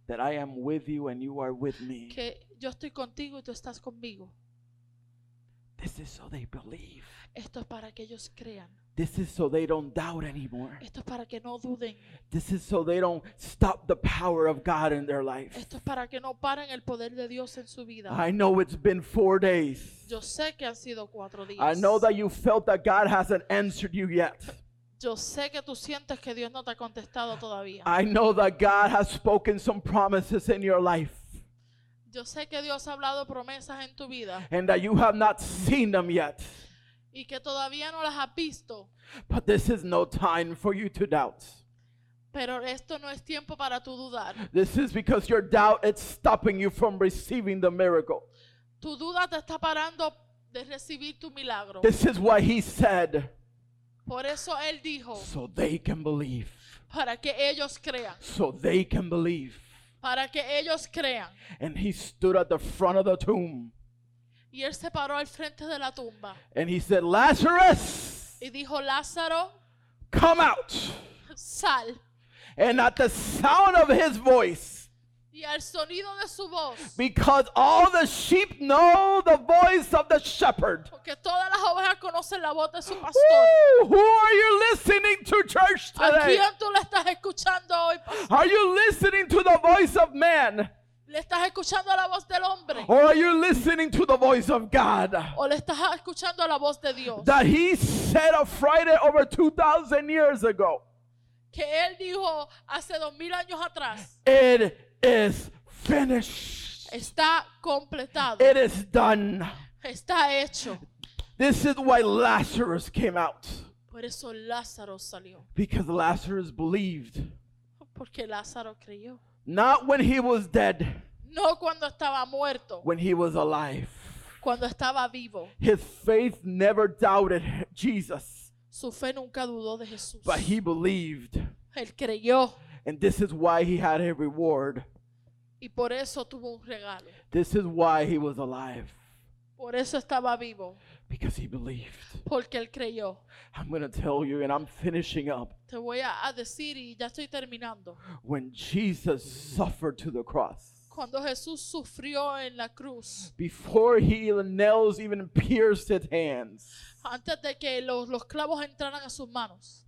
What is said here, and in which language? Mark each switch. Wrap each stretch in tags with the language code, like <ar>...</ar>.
<en>that I am with you and you are with me,</en> <es>que yo estoy contigo y tú estás conmigo.</es> <en>This is so they believe.</en> <es>Esto es para que ellos crean.</es> <en>This is so they don't doubt anymore.</en> <es>Esto es para que no duden.</es> <en>This is so they don't stop the power of God in their life.</en> <es>Esto es para que no paren el poder de Dios en su vida.</es> <en>I know it's been 4 days.</en> <es>Yo sé que han sido 4 días.</es> <en>I know that you felt that God hasn't answered you yet.</en> <es>Yo sé que tú sientes que Dios no te ha contestado todavía.</es> <en>I know that God has spoken some promises in your life.</en> <es>Yo sé que Dios ha hablado promesas en tu vida.</es> <en>And that you have not seen them yet.</en> <es>Y que todavía no las has visto.</es> <en>But this is no time for you to doubt.</en> <es>Pero esto no es tiempo para tu dudar.</es> <en>This is because your doubt is stopping you from receiving the miracle.</en> <es>Tu duda te está parando de recibir tu milagro.</es> <en>This is what he said.</en> <es>Por eso él dijo.</es> <en>So they can believe.</en> <es>Para que ellos crean.</es> <en>So they can believe.</en> <es>Para que ellos crean.</es> <en>And he stood at the front of the tomb.</en> <es>Y él se paró al frente de la tumba.</es> <en>And he said, Lazarus.</en> <es>Y dijo, Lázaro.</es> <en>Come out.</en> <es>Sal.</es> <en>And at the sound of his voice.</en> <es>Y al sonido de su voz.</es> <en>Because all the sheep know the voice of the shepherd.</en> <es>Porque todas las ovejas conocen la voz de su pastor.</es> <en>Ooh, who are you listening to, church, today?</en> <es>¿A quién tú le estás escuchando hoy, pastor?</es> <en>Are you listening to the voice of man?</en> <es>¿Le estás escuchando la voz del hombre?</es> <en>Or are you listening to the voice of God?</en> <es>¿O le estás escuchando la voz de Dios?</es> <en>That he said on Friday over 2,000 years ago.</en> <es>Que él dijo hace 2,000 años atrás.</es> <en>It is finished.</en> <es>Está completado.</es> <en>It is done.</en> <es>Está hecho.</es> <en>This is why Lazarus came out.</en> <es>Por eso Lázaro salió.</es> <en>Because Lazarus believed.</en> <es>Porque Lázaro creyó.</es> <en>Not when he was dead.</en> <es>No cuando estaba muerto.</es> <en>When he was alive.</en> <es>Cuando estaba vivo.</es> <en>His faith never doubted Jesus.</en> <es>Su fe nunca dudó de Jesús.</es> <en>But he believed.</en> <es>Él creyó.</es> <en>And this is why he had a reward.</en> <es>Y por eso tuvo un regalo.</es> <en>This is why he was alive.</en> <es>Por eso estaba vivo.</es> <en>Because he believed.</en> <es>Porque él creyó.</es> <en>I'm going to tell you, and I'm finishing up.</en> <es>Te voy a decir y ya estoy terminando.</es> <en>When Jesus suffered to the cross.</en> <es>Cuando Jesús sufrió en la cruz.</es> <en>Before he nails even pierced his hands.</en> <es>Antes de que los clavos entraran a sus manos.</es>